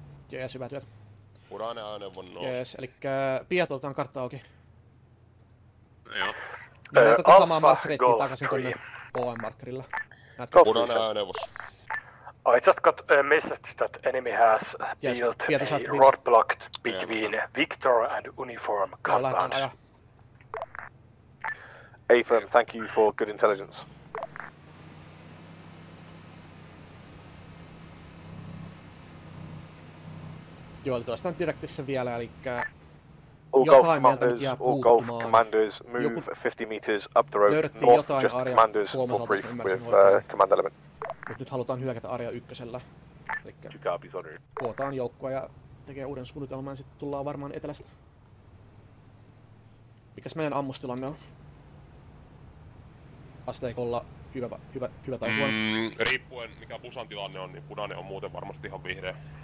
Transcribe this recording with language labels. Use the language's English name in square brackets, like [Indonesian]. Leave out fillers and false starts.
[Finnish] Jees, hyvää työtä. Punainen ajoneuvo nousi. Jees, elikkä Piet, otetaan kartta auki. No joo. Mä näytän samaa marssireittiä takaisin tuonne OM-markkerilla. Punainen ajoneuvo. [English] I just got a message that enemy has built yes, a roadblock between yeah, Victor and Uniform compound. Affirm, thank you for good intelligence. [Finnish] Joo, toistaan direktissä vielä, eli [English] all Golf commanders move 50 meters up the road north, just commanders will brief with command element. [Finnish] Mut nyt halutaan hyökätä area ykkösellä. Elikkä kootaan joukkoa ja tekee uuden suunnitelman ja sitten tullaan varmaan etelästä. Mikäs meidän ammustilanne on? Asteikolla hyvä tai huono? Riippuen mikä busan tilanne on, niin punainen on muuten varmasti ihan vihreä.